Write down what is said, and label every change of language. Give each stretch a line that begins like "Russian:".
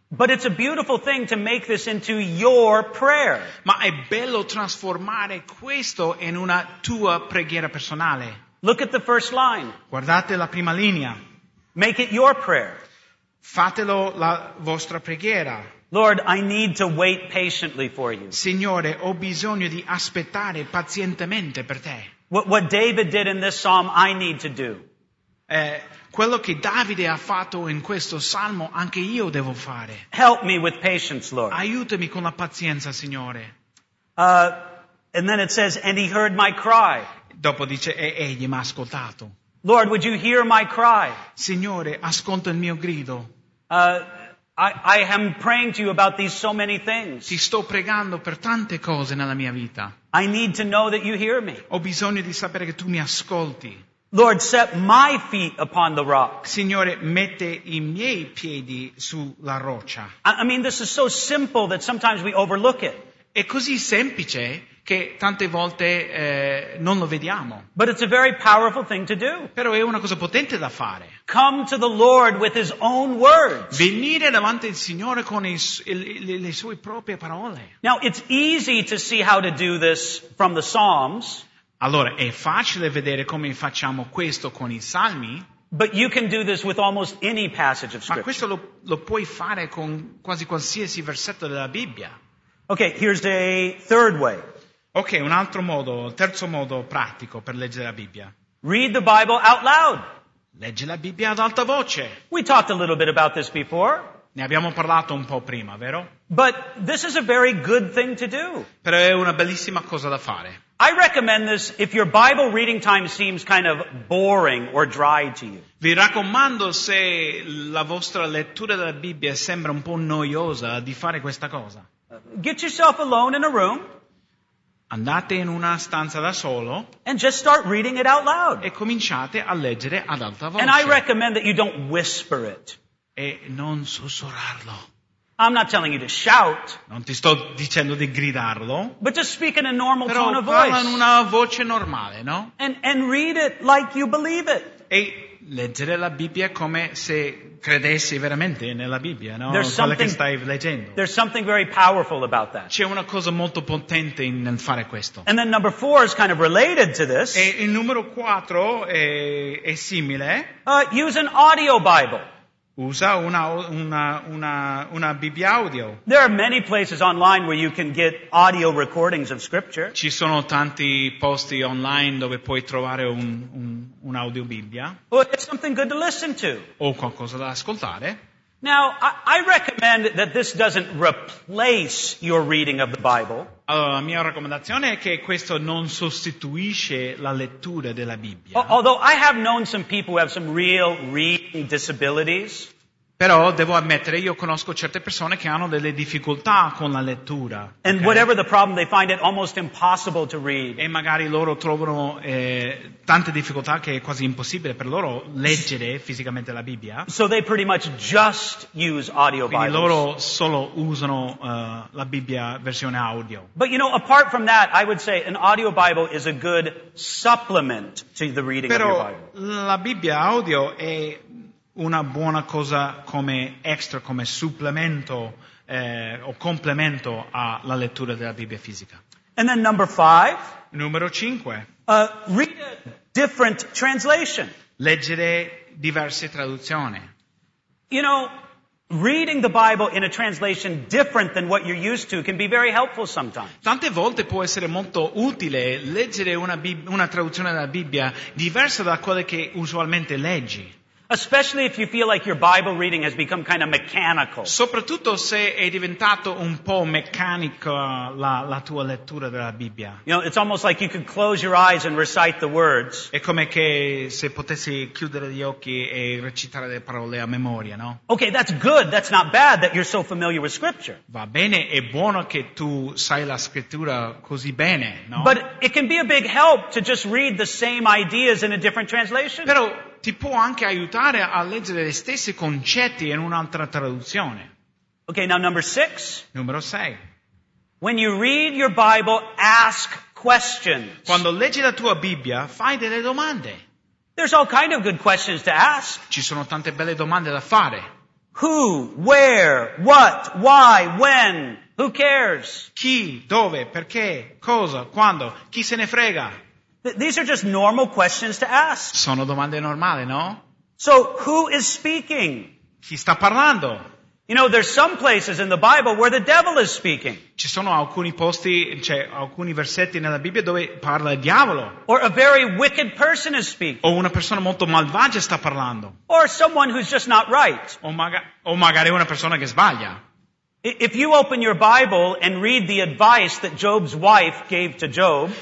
English: But it's a beautiful thing to make this into your prayer.
Italian: Ma è bello trasformare questo in una tua preghiera personale.
English: Look at the first line.
Italian: Guardate la prima linea.
English: Make it your prayer.
Italian: Fatelo la vostra preghiera.
English: Lord, I need to wait patiently for you.
Italian: Signore, ho bisogno di aspettare pazientemente per te.
English: What David did in this psalm, I need to do.
Italian: Quello che Davide ha fatto in questo salmo anche io devo fare.
English: Help me with patience, Lord.
Italian: Aiutami con la pazienza, Signore.
English: And then it says, and he heard my cry.
Italian: Dopo dice, e egli m'ha ascoltato.
English: Lord, would you hear my cry?
Italian: Signore, ascolta il mio grido.
English: I am praying to you about these so many things.
Italian: Ti sto pregando per tante cose nella mia vita.
English: I need to know that you hear me.
Italian: Ho bisogno di sapere che tu mi ascolti.
English: Lord, set my feet upon the rock.
Italian: Signore, mette i miei piedi sulla roccia.
English: I mean, this is so simple that sometimes we overlook it.
Italian: È così semplice che tante volte non lo vediamo.
English: But it's a very powerful thing to do.
Italian: Però è una cosa potente da fare.
English: Come to the Lord with his own words.
Italian: Venire davanti al Signore con le sue proprie parole.
English: Now, it's easy to see how to do this from the Psalms.
Italian: Allora, è facile vedere come facciamo questo con i salmi.
English: But you can do this with almost any passage of Scripture.
Italian: Ma questo lo puoi fare con quasi qualsiasi versetto della Bibbia.
English: Okay, here's a third way.
Italian: Okay, un altro modo, terzo modo pratico per leggere la Bibbia.
English: Read the Bible out loud.
Italian: Leggi la Bibbia ad alta voce.
English: We talked a little bit about this before.
Italian: Ne abbiamo parlato un po' prima, vero?
English: But this is a very good thing to do.
Italian: Però è una bellissima cosa da fare.
English: I recommend this if your Bible reading time seems kind of boring or dry to you.
Italian: Vi raccomando, se la vostra lettura della Bibbia sembra un po' noiosa, di fare questa cosa.
English: Get yourself alone in a room.
Italian: Andate in una stanza da solo.
English: And just start reading it out loud.
Italian: E cominciate a leggere ad alta voce.
English: And I recommend that you don't whisper it.
Italian: E non sussurrarlo.
English: I'm not telling you to shout.
Italian: Non ti sto dicendo di gridarlo.
English: But just speak in a normal tone of voice.
Italian: Però parla in una voce normale, no?
English: And read it like you believe it.
Italian: E leggere la Bibbia come se credessi veramente nella Bibbia, no?
English: There's
Italian: quella
English: something
Italian: che stai leggendo.
English: There's something very powerful about that.
Italian: C'è una cosa molto potente nel fare questo.
English: And then number four is kind of related to this.
Italian: E il numero quattro è simile.
English: Use an audio Bible.
Italian: Usa una Bibbia audio.
English: There are many places online where you can get audio recordings of scripture.
Italian: Ci sono tanti posti online dove puoi trovare un audio Bibbia.
English: Or it's something good to listen to.
Italian: O qualcosa da ascoltare.
English: Now, I recommend that this doesn't replace your reading of the Bible.
Italian: Allora, la mia raccomandazione è che questo non sostituisce la lettura della Bibbia.
English: Although I have known some people who have some real reading disabilities.
Italian: Però devo ammettere, io conosco certe persone che hanno delle difficoltà con la lettura.
English: And whatever the problem, they find it almost impossible to read.
Italian: E magari loro trovano tante difficoltà che è quasi impossibile per loro leggere fisicamente la Bibbia.
English: So they pretty much just use audio Bibles.
Italian: Quindi loro solo usano la Bibbia versione audio.
English: But you know, apart from that, I would say an audio Bible is a good supplement to the reading
Italian: Però
English: of your Bible.
Italian: Però la Bibbia audio è una buona cosa come extra, come supplemento o complemento alla lettura della Bibbia fisica.
English: And then number five.
Italian: Numero cinque.
English: Read a different translation.
Italian: Leggere diverse traduzioni.
English: You know, reading the Bible in a translation different than what you're used to can be very helpful sometimes.
Italian: Tante volte può essere molto utile leggere una traduzione della Bibbia diversa da quella che usualmente leggi.
English: Especially if you feel like your Bible reading has become kind of mechanical.
Italian: Soprattutto se è diventato un po' meccanico la tua lettura della Bibbia.
English: You know, it's almost like you could close your eyes and recite the words.
Italian: È come che se potessi chiudere gli occhi e recitare le parole a memoria, no?
English: Okay, that's good. That's not bad that you're so familiar with Scripture.
Italian: Va bene, è buono che tu sai la Scrittura così bene, no?
English: But it can be a big help to just read the same ideas in a different translation.
Italian: Però ti può anche aiutare a leggere gli stessi concetti in un'altra traduzione.
English: Ok, now number six.
Italian: Numero sei.
English: When you read your Bible, ask questions.
Italian: Quando leggi la tua Bibbia, fai delle domande.
English: There's all kind of good questions to ask.
Italian: Ci sono tante belle domande da fare.
English: Who, where, what, why, when, who cares?
Italian: Chi, dove, perché, cosa, quando, chi se ne frega?
English: These are just normal questions to ask.
Italian: Sono domande normali, no?
English: So, who is speaking?
Italian: Chi sta parlando?
English: You know, there's some places in the Bible where the devil is speaking.
Italian: Ci sono alcuni posti, cioè alcuni versetti nella Bibbia dove parla il diavolo.
English: Or a very wicked person is speaking.
Italian: O una persona molto malvagia sta parlando.
English: Or someone who's just not right.
Italian: O magari una persona che sbaglia.
English: If you open your Bible and read the advice that Job's wife gave to Job,